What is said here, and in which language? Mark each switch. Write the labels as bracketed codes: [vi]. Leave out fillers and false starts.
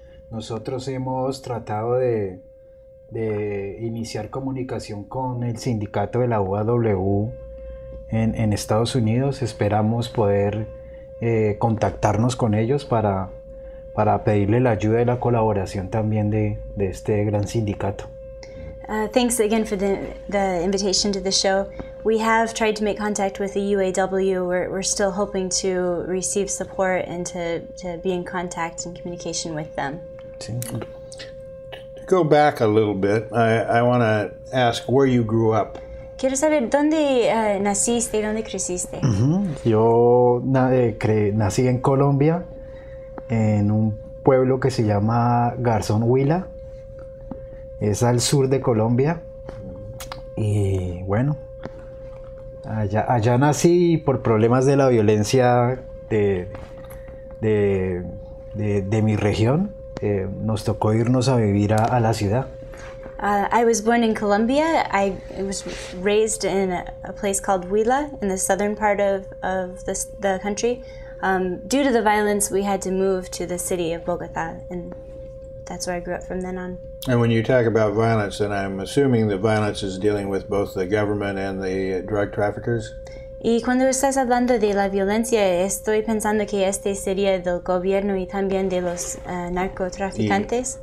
[es] Nosotros hemos tratado de iniciar comunicación con el sindicato de la UAW en Estados Unidos. Esperamos poder contactarnos con ellos para pedirle la ayuda y la colaboración también de este gran sindicato. [en] Thanks again for the invitation to the show. We have tried to make contact with the UAW. We're still hoping to receive support and to be in contact and communication with them. To go back a little bit, I want to ask where you grew up. [es] Quiero saber dónde naciste, dónde creciste. Yo nací en Colombia, en un pueblo que se llama Garzón Huila. Es al sur de Colombia. Y bueno, allá nací por problemas de la violencia de mi región. Nos tocó irnos a vivir a la ciudad. [en] I was born in Colombia. I was raised in a place called Huila in the southern part of the country. Due to the violence, we had to move to the city of Bogota, and that's where I grew up from then on. And when you talk about violence, then I'm assuming the violence is dealing with both the government and the drug traffickers? [es] Y cuando estás hablando de la violencia, estoy pensando que este sería del gobierno y también de los narcotraficantes.